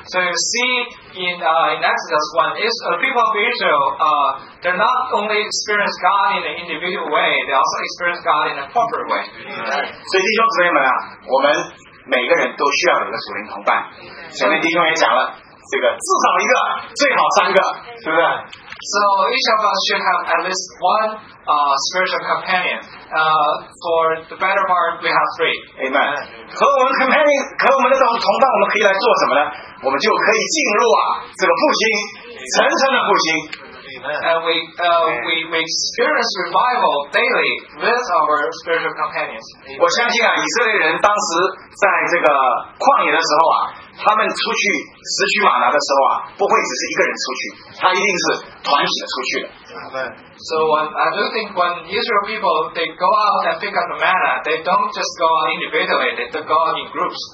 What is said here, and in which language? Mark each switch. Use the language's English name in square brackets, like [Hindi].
[English] So you see in Exodus 1, people of Israel, they not only experience God in an individual way, they also experience God in a corporate way. [Chinese] So, 弟兄姊妹们啊，我们每个人都需要有个属灵同伴。前面弟兄也讲了，这个至少一个，最好三个，是不是？ [English] So each of us should have at least one spiritual companion. For the better part, we have three. Amen. [Chinese] 和我们的同伴，我们可以来做什么呢？我们就可以进入这个复兴，层层的复兴。 [English] And we experience revival daily with our spiritual companions. [Chinese] 我相信以色列人当时在这个旷野的时候，他们出去拾取玛拿的时候，不会只是一个人出去，他一定是团体的出去的。So [English] I do think when Israel people they go out and pick up the manna, they don't just go out individually, they go out in groups.